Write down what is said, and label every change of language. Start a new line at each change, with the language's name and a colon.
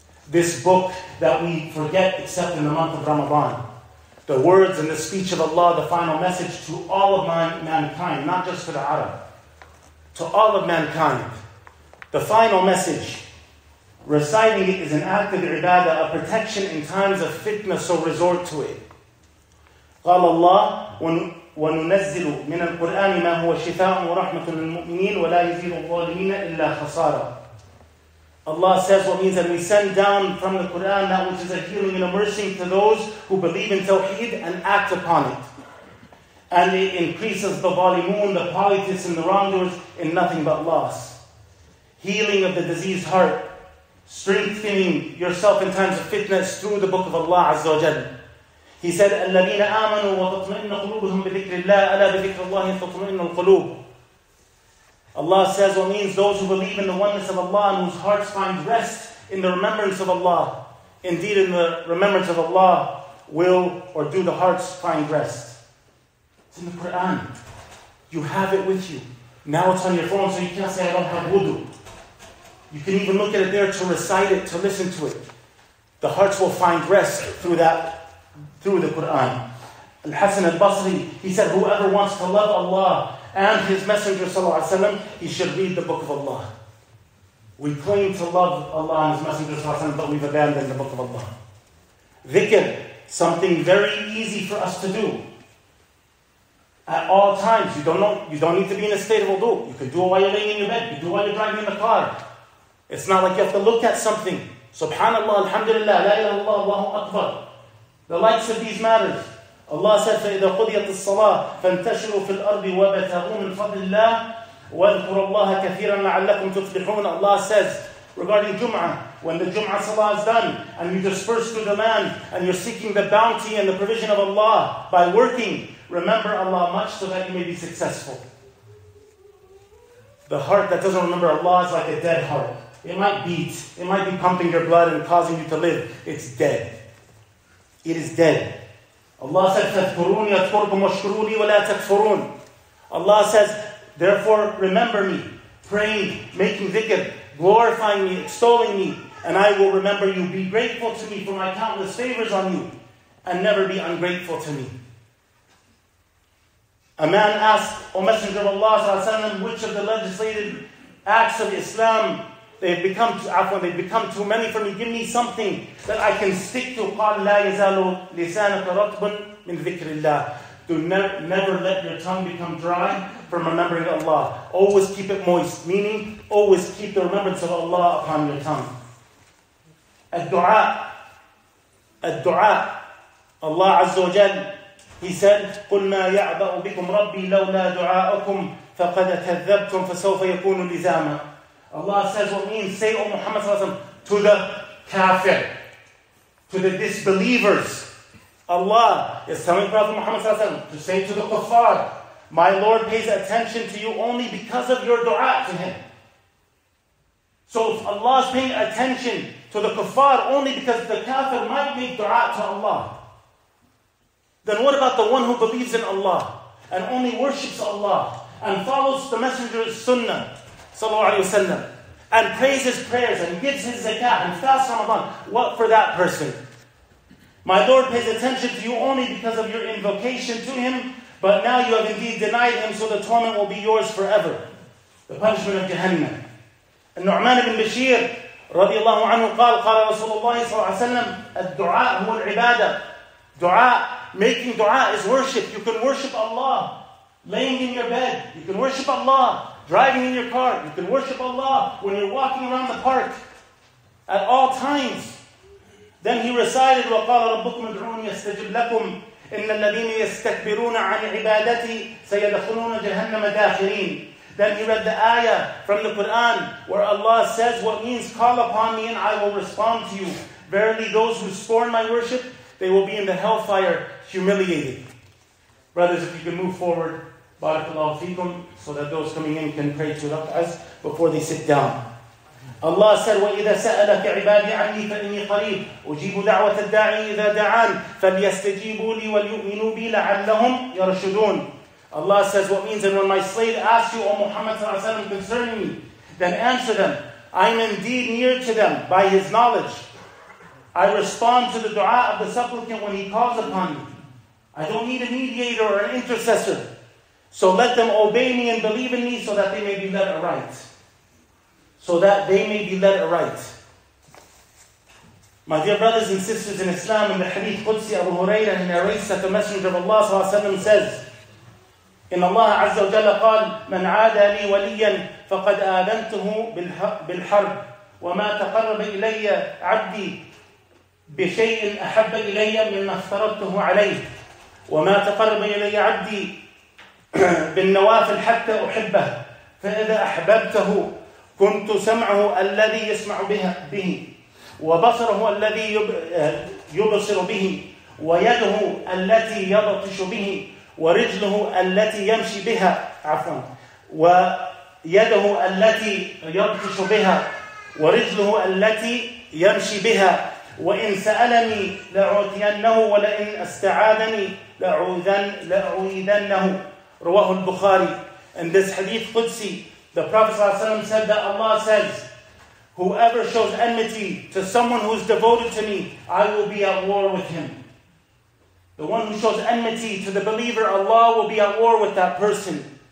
English: This book that we forget except in the month of Ramadan, the words and the speech of Allah, the final message to all of mankind, not just for the Arab, to all of mankind, the final message, reciting it is an act of ibadah, a protection in times of fitna, so resort to it.
Arabic: قال الله وننزل من القرآن ما هو شفاء ورحمة للمؤمنين ولا يزيد الظالمين إلا خسارة.
English: Allah says what means that we send down from the Quran that which is a healing and a mercy to those who believe in Tawheed and act upon it. And it increases the valimun, the politists and the wrongdoers in nothing but loss. Healing of the diseased heart, strengthening yourself in times of fitness through the book of Allah Azza wa Jalla. He said,
Arabic: الَّذِينَ آمَنُوا وَتَطْمَئِنَّ قُلُوبُهُمْ بِذِكْرِ اللَّهِ أَلَا بِذِكْرِ اللَّهِ تَطْمَئِنَّ الْقُلُوبُ.
English: Allah says what means those who believe in the oneness of Allah and whose hearts find rest in the remembrance of Allah. Indeed, in the remembrance of Allah will or do the hearts find rest. It's in the Quran. You have it with you. Now it's on your phone, so you can't say, I don't have wudu. You can even look at it there to recite it, to listen to it. The hearts will find rest through that, through the Quran. Al-Hasan al-Basri, he said, whoever wants to love Allah and His Messenger, sallallahu alayhi wa sallam, he should read the Book of Allah. We claim to love Allah and His Messenger, sallallahu alayhi wa sallam, but we've abandoned the Book of Allah. Dhikr, something very easy for us to do. At all times, you don't need to be in a state of wudu. You can do it while you're laying in your bed. You can do it while you're driving in the car. It's not like you have to look at something. Subhanallah, alhamdulillah, la ilaha illallah, Allahu Akbar. The likes of these matters. Allah said,
Arabic: فَإِذَا قُضِيَتِ الصَّلَاةِ فَانْتَشِرُوا فِي الْأَرْضِ وَابْتَغُوا مِنْ فَضْلِ اللَّهِ وَاذْكُرُوا اللَّهَ كَثِيرًا لَعَلَّكُمْ تُفْلِحُونَ.
English: Allah says, regarding Jum'ah, when the Jum'ah Salah is done, and you disperse through the land, and you're seeking the bounty and the provision of Allah by working, remember Allah much so that you may be successful. The heart that doesn't remember Allah is like a dead heart. It might beat, it might be pumping your blood and causing you to live. It's dead. It is dead. Allah said,
Arabic: تَذْكُرُونِ يَذْكُرُكُمْ وَشْكُرُونِ وَلَا تَكْفُرُونَ.
English: Allah says, therefore, remember me, praying, making dhikr, glorifying me, extolling me, and I will remember you. Be grateful to me for my countless favors on you, and never be ungrateful to me. A man asked, O Messenger of Allah, which of the legislated acts of Islam, they've become too many for me, give me something that I can stick to.
Arabic: قَالْ لَا يَزَالُ لِسَانَكَ رَطْبٌ مِنْ ذِكْرِ اللَّهِ.
English: Do never let your tongue become dry from remembering Allah. Always keep it moist, meaning always keep the remembrance of Allah upon your tongue.
Arabic: الدُّعَاء. الدُّعَاء. Allah Azza wa Jal,
English: He said,
Arabic: قُلْ مَا يَعْبَأُ بِكُمْ رَبِّي لَوْلَا دُعَاءُكُمْ فَقَدْ تَذَّبْتُمْ فَسَوْفَ يَكُونُ لِزَامًا.
English: Allah says what means, say, O Muhammad sallallahu alayhi wa sallam, to the kafir, to the disbelievers. Allah is telling Prophet Muhammad sallallahu alayhi wa sallam to say to the kuffar, my Lord pays attention to you only because of your dua to Him. So if Allah is paying attention to the kuffar only because the kafir might make dua to Allah, then what about the one who believes in Allah and only worships Allah and follows the Messenger's sunnah, sallallahu alayhi wa sallam, and prays his prayers and gives his zakat and fasts Ramadan? What for that person? My Lord pays attention to you only because of your invocation to Him, But now you have indeed denied him, so the torment will be yours forever. The punishment of Jahannam.
Arabic: And Nu'man ibn Bashir, radiallahu anhu, قال Rasulullah صلى الله عليه وسلم, الدعاء هو العبادة.
English: Dua, making dua is worship. You can worship Allah. Laying in your bed, you can worship Allah. Driving in your car, you can worship Allah. When you're walking around the park, at all times. Then he recited,
Arabic: وَقَالَ رَبُّكُمْ ادْعُونِ يَسْتَجِبْ لَكُمْ إِنَّ الَّذِينَ يَسْتَكْبِرُونَ عَنِ عِبَادَتِي سَيَدَخُلُونَ جَهَنَّمَ دَاخِرِينَ.
English: Then he read the ayah from the Quran where Allah says what means, call upon me and I will respond to you. Verily those who scorn my worship, they will be in the hellfire humiliated. Brothers, if you can move forward, barakallahu feekum, so that those coming in can pray two rak'ahs before they sit down. Allah said,
Arabic: وَإِذَا سَأَلَكَ عِبَادِي عَنِّي فَإِنِّي قَرِيبٌ أُجِيبُ دَعْوَةَ الدَّاعِي إِذَا دَعَانِ فَلْيَسْتَجِيبُوا لِي وَلْيُؤْمِنُوا بِي لَعَلَّهُمْ يَرْشُدُونَ.
English: Allah says, what means, and when my slave asks you, O Muhammad sallallahu alayhi wa sallam, concerning me, then answer them, I am indeed near to them by his knowledge. I respond to the dua of the supplicant when he calls upon me. I don't need a mediator or an intercessor. So let them obey me and believe in me so that they may be led aright. So that they may be led aright. My dear brothers and sisters in Islam, in the hadith Qudsi Abu Hurairah, he narrates that the Messenger of Allah sallallahu alayhi wa sallam says,
Arabic: إن الله عز وجل قال من عادى لي وليا فقد آذنته بالحرب وما تقرب إلي عبدي بشيء أحب إلي مما افترضته عليه وما تقرب إلي عبدي بالنوافل حتى أحبه فإذا أحببته كنت سمعه الذي يسمع به وبصره الذي يبصر به ويده التي يبطش به ورجله التي يمشي بها عفوا ويده التي يبطش بها ورجله التي يمشي بها وإن سألني لأعطينه ولئن استعاذني لأعوذنه. رواه البخاري.
English: In this hadith Qudsi, the Prophet صلى الله عليه وسلم said that Allah says, whoever shows enmity to someone who is devoted to me, I will be at war with him. The one who shows enmity to the believer, Allah will be at war with that person.